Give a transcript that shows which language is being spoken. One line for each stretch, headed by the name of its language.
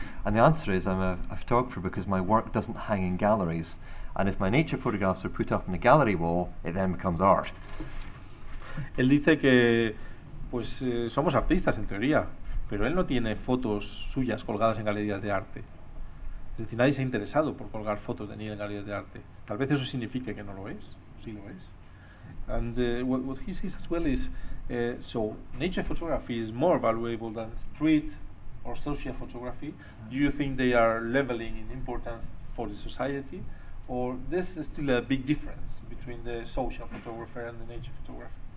English: And the answer is I'm a photographer because my work doesn't hang in galleries. And if my nature photographs are put up in a gallery wall, it then becomes art.
Spanish: Él dice que pues somos artistas en teoría, pero él no tiene fotos suyas colgadas en galerías de arte. Es decir, nadie se ha interesado por colgar fotos de Neil en galerías de arte. Tal vez eso signifique que no lo es, sí lo es.
English: And what he says as well is, so nature photography is more valuable than street or social photography. Do you think they are leveling in importance for the society, or there's still a big difference between the social photographer and the nature photographer?